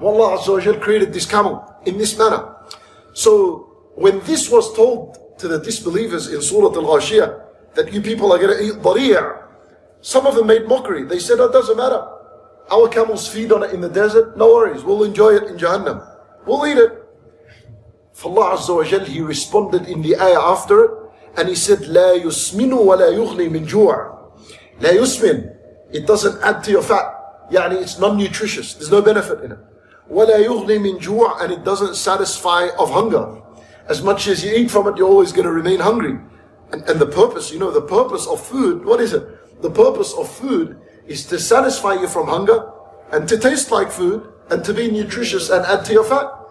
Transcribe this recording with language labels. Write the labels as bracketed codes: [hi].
[en] Wallah Azza wa Jal created this camel in this manner. So when this was told to the disbelievers in Surah Al-Ghashiyah, that you people are going to eat dari'a, some of them made mockery. They said, it doesn't matter. Our camels feed on it in the desert. No worries. We'll enjoy it in Jahannam. We'll eat it. Allah Azza wa Jal, he responded in the ayah after it. And he said, [ar] لا يسمن ولا يغني من جوع. لا يسمن. [en] It doesn't add to your fat. يعني it's non-nutritious. There's no benefit in it. [ar] ولا يغني من جوع. [en] And it doesn't satisfy of hunger. As much as you eat from it, you're always going to remain hungry. And the purpose, you know, the purpose of food, what is it? The purpose of food is to satisfy you from hunger and to taste like food and to be nutritious and add to your fat.